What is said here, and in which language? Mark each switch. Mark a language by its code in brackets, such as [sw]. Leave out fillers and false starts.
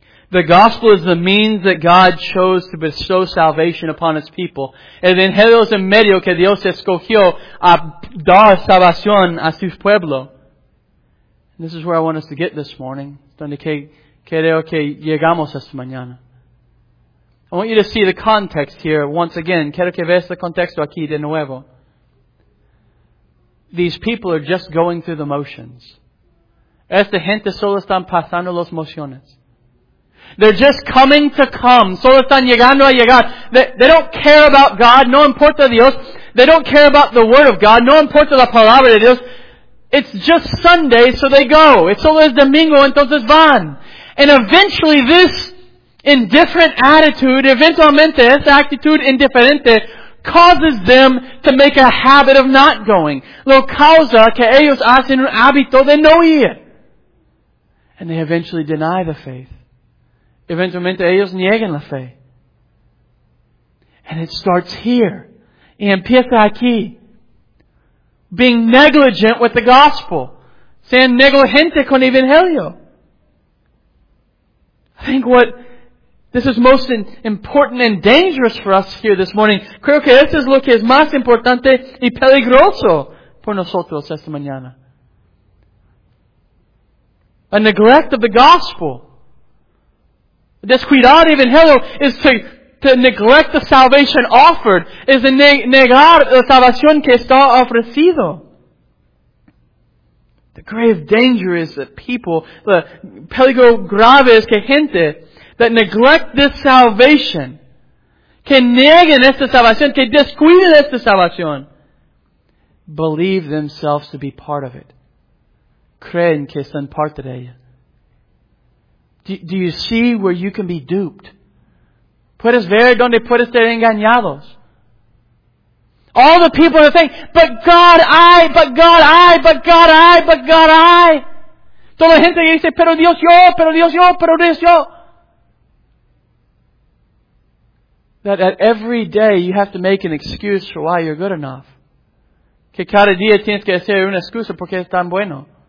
[en] The gospel is the means that God chose to bestow salvation upon His people. [es] El evangelio es el medio que Dios escogió a dar salvación a su pueblo. [en] This is where I want us to get this morning. [es] Donde que creo que llegamos esta mañana. [en] I want you to see the context here once again. [es] Quiero que veas el contexto aquí de nuevo. [en] These people are just going through the motions. [es] Esta gente solo están pasando las emociones. [en] They're just coming to come. [es] Solo están llegando a llegar. [en] They don't care about God. [es] No importa Dios. [en] They don't care about the Word of God. [es] No importa la Palabra de Dios. [en] It's just Sunday, so they go. It's [es] solo es domingo, entonces van. [en] And eventually this indifferent attitude, [es] eventualmente, esa actitud indiferente, [en] causes them to make a habit of not going. [es] Lo causa que ellos hacen un hábito de no ir. [en] And they eventually deny the faith. [es] Eventualmente, ellos niegan la fe. [en] And it starts here. [es] Y empieza aquí. [en] Being negligent with the gospel. [es] Sean negligente con el evangelio. [en] I think what this is most important and dangerous for us here this morning. [es] Creo que esto es lo que es más importante y peligroso por nosotros esta mañana. [en] A neglect of the gospel. [es] Descuidar evangelio [en] is to neglect the salvation offered. Is to [es] negar la salvación que está ofrecido. [en] The grave danger is that people, the [es] peligro grave es que gente, [en] that neglect this salvation, [es] que nieguen esta salvación, [en] que descuiden esta salvación, believe themselves to be part of it. [es] Creen que son parte de ella. [en] Do you see where you can be duped? [es] Puedes ver donde puedes ser engañados. [en] All the people are saying, but God, I. [es] Toda la gente dice, pero Dios, yo. [en] That at every day you have to make an excuse for why you're good enough. [es] Que cada día tienes que hacer una excusa porque es tan bueno.